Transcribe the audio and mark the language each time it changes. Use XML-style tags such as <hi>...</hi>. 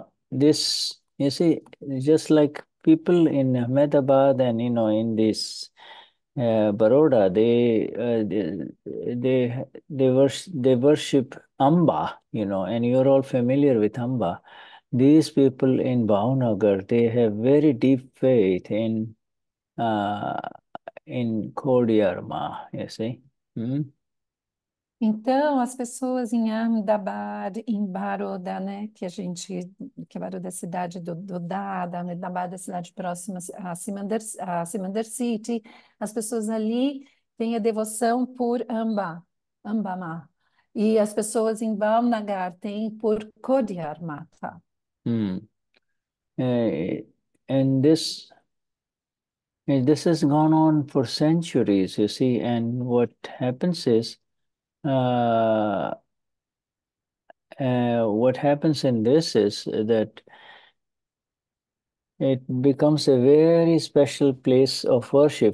<en>This, you see, just like people in Ahmedabad and, you know, in this Baroda, they worship Amba, you know, and you're all familiar with Amba. These people in Bhavnagar, they have very deep faith in Kodiyar Ma, you see.</en> <pt>Então, as pessoas em Ahmedabad, em Baroda, né, que Baroda é a cidade do Dada, Ahmedabad é a cidade próxima a Simandar City, as pessoas ali têm a devoção por Ambama. E as pessoas em Bhavnagar têm por Khodiyar Mata.</pt> <en>And this has gone on for centuries, you see, and what happens is what happens in this is that it becomes a very special place of worship.</en>